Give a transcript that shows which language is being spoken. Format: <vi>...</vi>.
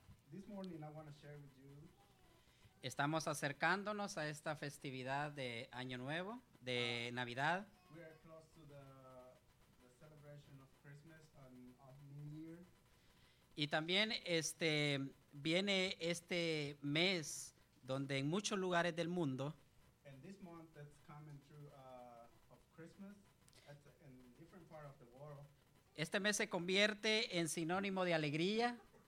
<en>This morning I want to share with you.</en> <es>Estamos acercándonos a esta festividad de Año Nuevo, de Navidad.</es> <en>We are close to the celebration of Christmas and of New Year.</en> <es>Y también viene este mes donde en muchos lugares del mundo.</es> <en>And this month that's coming through of Christmas at in different part of the world.</en> <es>Este mes se convierte en sinónimo de alegría.</es>